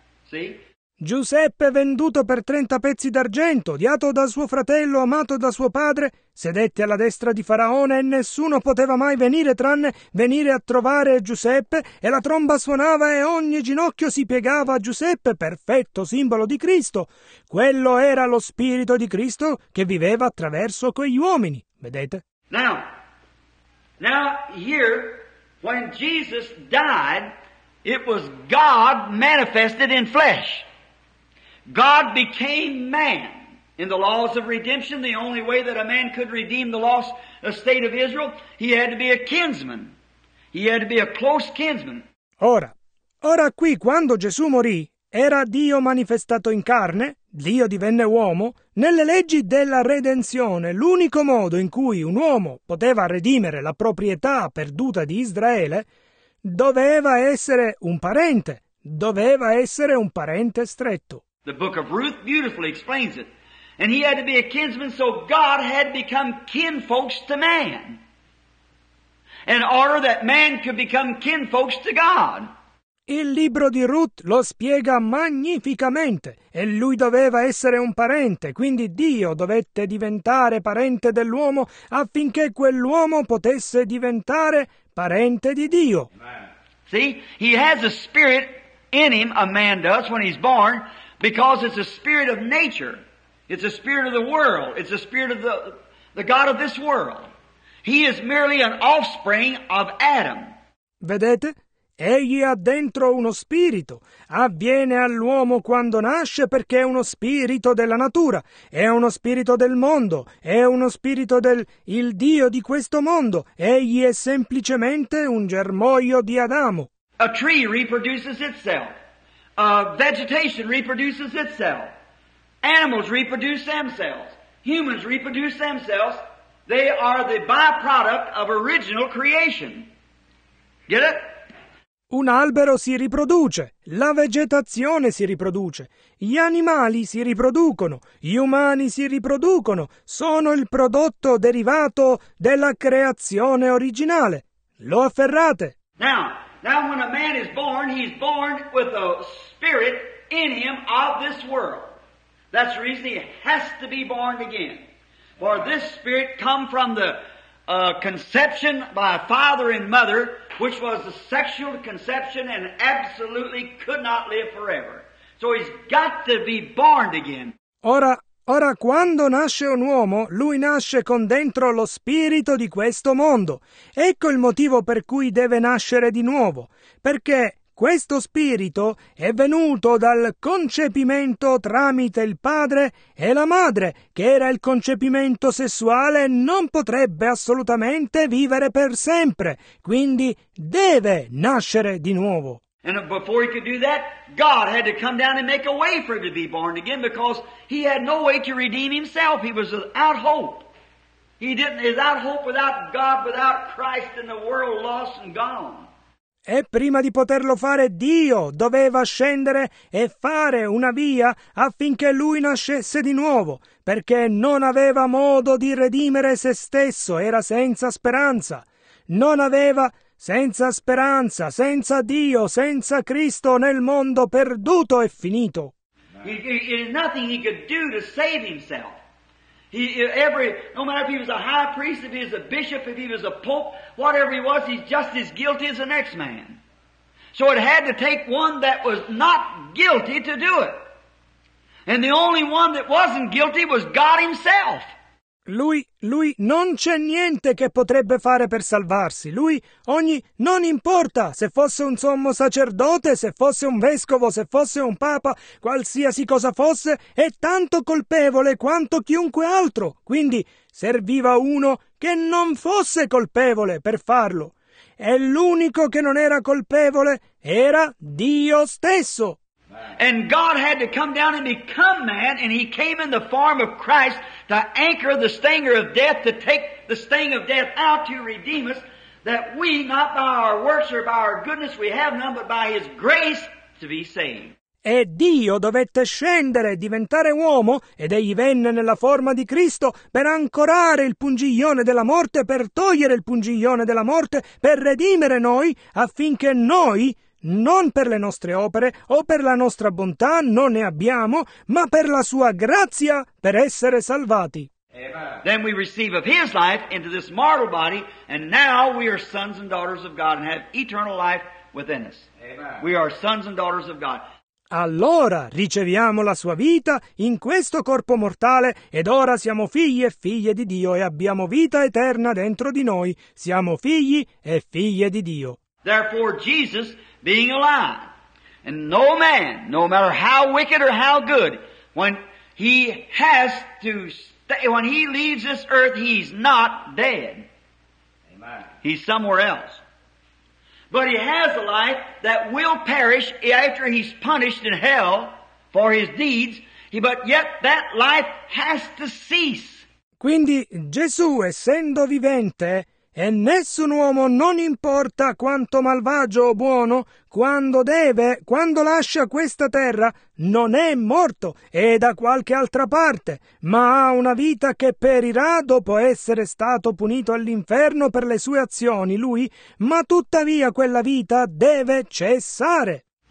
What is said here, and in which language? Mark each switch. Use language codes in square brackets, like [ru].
[en] See? [it] Giuseppe, venduto per 30 pezzi d'argento, odiato da suo fratello, amato da suo padre, sedette alla destra di Faraone e nessuno poteva mai venire tranne venire a trovare Giuseppe, e la tromba suonava e ogni ginocchio si piegava a Giuseppe, perfetto simbolo di Cristo. Quello era lo spirito di Cristo che viveva attraverso quegli uomini, vedete? [en] Now here, when Jesus died, it was God manifested in flesh. God became man. In the laws of redemption, the only way that a man could redeem the lost state of Israel, he had to be a kinsman. He had to be a close kinsman. [it] Ora qui, quando Gesù morì, era Dio manifestato in carne, Dio divenne uomo, nelle leggi della redenzione, l'unico modo in cui un uomo poteva redimere la proprietà perduta di Israele doveva essere un parente, stretto. [en] The book of Ruth beautifully explains it. And he had to be a kinsman, so God had become kinfolks to man. In order that man could become kinfolks to God. [it] Il libro di Ruth lo spiega magnificamente. E lui doveva essere un parente, quindi Dio dovette diventare parente dell'uomo affinché quell'uomo potesse diventare parente di Dio. Amen. [en] See, he has a spirit in him, a man does, when he's born. Because it's a spirit of nature. It's a spirit of the world. It's a spirit of the God of this world. He is merely an offspring of Adam. [it] Vedete? Egli ha dentro uno spirito. Avviene all'uomo quando nasce perché è uno spirito della natura. È uno spirito del mondo. È uno spirito del il Dio di questo mondo. Egli è semplicemente un germoglio di Adamo. [en] A tree reproduces itself. Vegetation reproduces itself. Animals reproduce themselves. Humans reproduce themselves. They are the byproduct of original creation. Get it? [it] Un albero si riproduce, la vegetazione si riproduce, gli animali si riproducono, gli umani si riproducono, sono il prodotto derivato della creazione originale. Lo afferrate? [en] Now when a man is born, he's born with a spirit in him of this world. That's the reason he has to be born again. For this spirit come from the conception by father and mother, which was a sexual conception and absolutely could not live forever. So he's got to be born again. [it] Ora, quando nasce un uomo, lui nasce con dentro lo spirito di questo mondo. Ecco il motivo per cui deve nascere di nuovo. Perché questo spirito è venuto dal concepimento tramite il padre e la madre, che era il concepimento sessuale, non potrebbe assolutamente vivere per sempre. Quindi deve nascere di nuovo. [en] And before he could do that, God had to come down and make a way for him to be born again, because he had no way to redeem himself. He was without hope. He didn't, without hope, without God, without Christ in the world, lost and gone. [it] E prima di poterlo fare, Dio doveva scendere e fare una via affinché lui nascesse di nuovo, perché non aveva modo di redimere se stesso, era senza speranza. Non aveva senza speranza, senza Dio, senza Cristo nel mondo perduto e finito. [en] There's nothing he could do to save himself. No matter if he was a high priest, if he was a bishop, if he was a pope, whatever he was, he's just as guilty as the next man. So it had to take one that was not guilty to do it. And the only one that wasn't guilty was God himself. [it] Lui non c'è niente che potrebbe fare per salvarsi. Non importa se fosse un sommo sacerdote, se fosse un vescovo, se fosse un papa, qualsiasi cosa fosse, è tanto colpevole quanto chiunque altro. Quindi serviva uno che non fosse colpevole per farlo. E l'unico che non era colpevole era Dio stesso. [en] And God had to come down and become man, and he came in the form of Christ to anchor the stinger of death, to take the sting of death out, to redeem us, that we, not by our works or by our goodness, we have none, but by his grace to be saved. [it] E Dio dovette scendere e diventare uomo, ed egli venne nella forma di Cristo per ancorare il pungiglione della morte, per togliere il pungiglione della morte, per redimere noi, affinché noi, non per le nostre opere o per la nostra bontà, non ne abbiamo, ma per la sua grazia, per essere salvati. [en] Then we receive of his life into this mortal body, and now we are sons and daughters of God and have eternal life within us. We are sons and daughters of God. [it] Allora riceviamo la sua vita in questo corpo mortale, ed ora siamo figli e figlie di Dio, e abbiamo vita eterna dentro di noi. Siamo figli e figlie di Dio. [en] Therefore Jesus, being alive, and no man, no matter how wicked or how good, when he has to stay, when he leaves this earth, he's not dead. Amen. He's somewhere else. But he has a life that will perish after he's punished in hell for his deeds, but yet that life has to cease. [it] Quindi Gesù, essendo vivente, e nessun uomo, non importa quanto malvagio o buono, quando lascia questa terra, non è morto, è da qualche altra parte, ma ha una vita che perirà dopo essere stato punito all'inferno per le sue azioni, lui, ma tuttavia quella vita deve cessare.